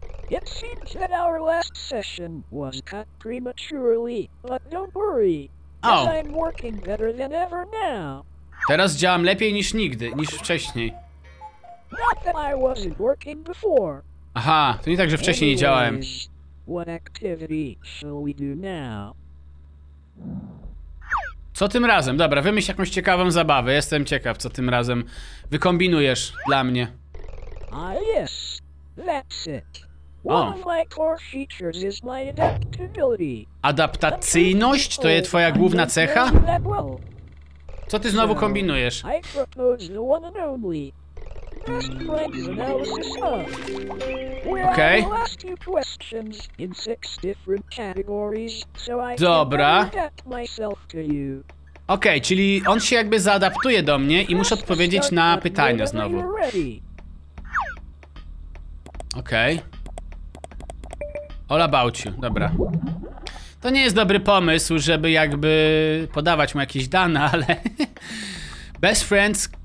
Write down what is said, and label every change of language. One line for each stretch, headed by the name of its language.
English: It seems that our last session was cut prematurely, but don't worry. Oh. I'm working better than ever now.
Polish: Teraz działam lepiej niż nigdy, niż wcześniej.
English: Not that I wasn't working before.
Polish: Aha, to nie tak, że wcześniej
English: Anyways,
Polish: nie działałem.
English: What activity shall we do now?
Polish: Co tym razem? Dobra, wymyśl jakąś ciekawą zabawę. Jestem ciekaw, co tym razem wykombinujesz dla mnie.
English: Ah, yes. That's it. One of my core features is my adaptability.
Polish: Adaptacyjność? To jest twoja główna cecha? Co ty znowu kombinujesz?
English: I propose the one and only best friends analysis of. We okay. I will ask you questions in six different categories, so I
Polish: Dobra.
English: Can adapt myself to you.
Polish: Okej, okay, czyli on się jakby zaadaptuje do mnie i muszę odpowiedzieć na pytania znowu.
English: Okej. All about you, dobra.
Polish: To nie jest dobry pomysł, żeby jakby podawać mu jakieś dane, ale...
English: Best friends...